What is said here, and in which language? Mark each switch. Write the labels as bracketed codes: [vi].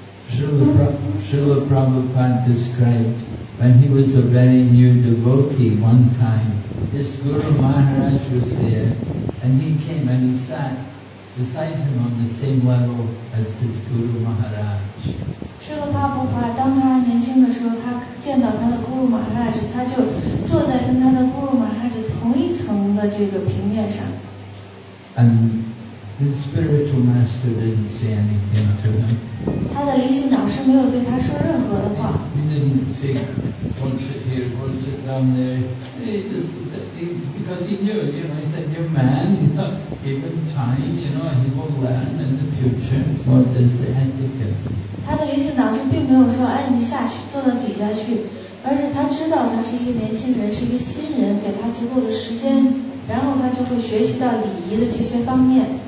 [en] Srila Prabhupada described when he was a very new devotee one time, his Guru Maharaj was there and he came and he sat beside him on the same level as his Guru Maharaj. [zh] Srila Prabhupada, 当他年轻的时候，他见到他的 Guru Maharaj， 他就坐在跟他的 Guru Maharaj 同一层的这个平面上。 [en] And his spiritual master didn't say anything to him. [zh] 他的灵性导师没有对他说任何的话。 [en] He didn't think, "What's it here? What's it down there?" Because he knew, you know, he's a new man. He thought, given time, you know, he will learn in the future. What is the etiquette? [zh] 他的灵性导师并没有说，哎，你下去，坐到底下去，而是他知道他是一个年轻人，是一个新人，给他足够的时间，然后他就会学习到礼仪的这些方面。